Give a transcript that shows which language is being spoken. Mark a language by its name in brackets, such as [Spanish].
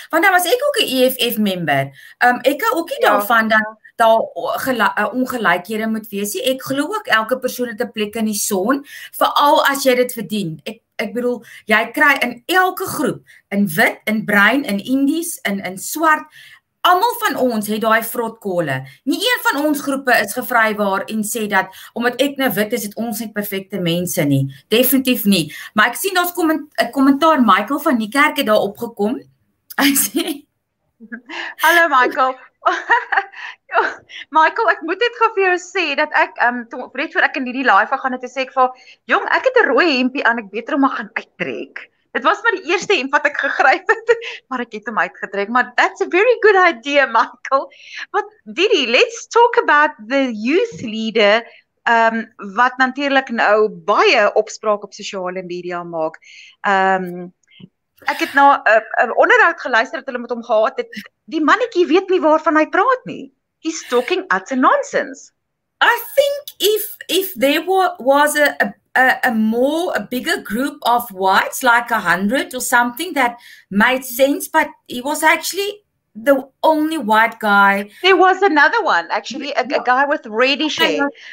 [Afrikaans] Want dan was ek ook 'n EFF member. Ek hou ook nie daarvan dat daar ongelykhede moet wees nie. Ek glo ook elke persoon het 'n plek in die son, veral as jy dit verdien. Ek bedoel, jy kry in elke groep, in wit, in bruin, in indies, in swart, almal van ons het daai vrotkolle. Nie een van ons groepe is gevrywaar en sê dat omdat ek nou wit is, het ons net perfekte mense nie. Definitief nie. Maar ek sien daar's 'n kommentaar Michael van die kerk het daar opgekom. Hy sê Hallo Michael. Michael, ek moet dit gou vir jou sê dat ek net voor ek in hierdie live gaan het te sê ek vir jong, ek het 'n rooi hempie aan, ek beter om gaan uittrek. Dit was maar die eerste hemp wat ek gegryp het, maar ek het hom uitgetrek. [English] Maar that's a very good idea, Michael. But Didi, let's talk about the youth leader [Afrikaans] wat natuurlik nou baie opspraak op sosiale media maak. Ek het na 'n onderhoud geluister wat hulle met hom gehad het. Die mannetjie weet nie waarvan hy praat nie. [English] He's talking utter nonsense. I think if there was a bigger group of whites, like 100 or something, that made sense, but he was actually the only white guy. There was another one, actually, a guy with reddish hair.